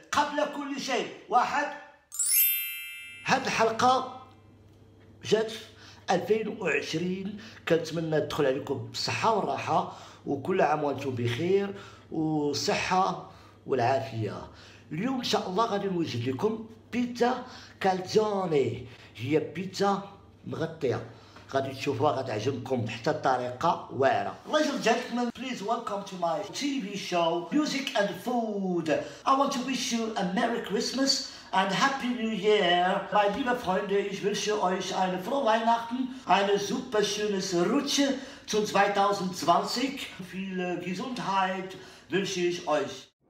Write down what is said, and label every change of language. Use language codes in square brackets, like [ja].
[ar] قبل كل شيء واحد، هذه الحلقة جات 2020، كنتمنى تدخل عليكم بالصحة والراحة وكل عام وانتم بخير والصحة والعافية. اليوم إن شاء الله غادي نوجد لكم بيتزا كالزوني، هي بيتزا مغطية، غادي تشوفوها غتعجبكم حتى الطريقة واعرة. [en] Ladies and gentlemen, please welcome to my TV show Music and Food. I want to wish you a Merry Christmas and Happy New Year. [de] My lieben Freunde, ich wünsche euch eine frohe Weihnachten, eine super schönes Rutsche zu 2020. Viel Gesundheit wünsche ich euch.